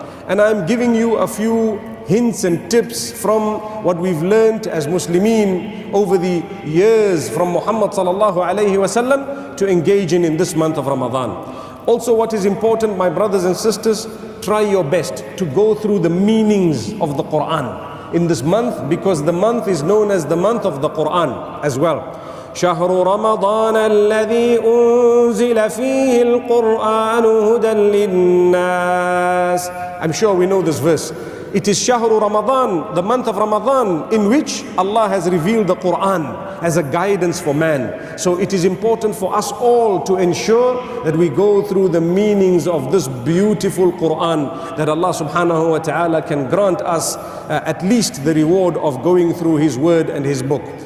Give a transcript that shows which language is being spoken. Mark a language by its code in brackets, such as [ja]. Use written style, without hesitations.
[en] And I'm giving you a few hints and tips from what we've learned as Muslimin over the years from Muhammad sallallahu alayhi wa sallam to engage in this month of Ramadan. Also, what is important, my brothers and sisters, try your best to go through the meanings of the Quran in this month, because the month is known as the month of the Quran as well. [ar] شهر رمضان الذي أنزل فيه القرآن هدى للناس. [en] I'm sure we know this verse. It is [ar] شهر رمضان, [en] the month of Ramadan, in which Allah has revealed the Quran as a guidance for man. So it is important for us all to ensure that we go through the meanings of this beautiful Quran, that Allah subhanahu wa ta'ala can grant us at least the reward of going through His word and His book.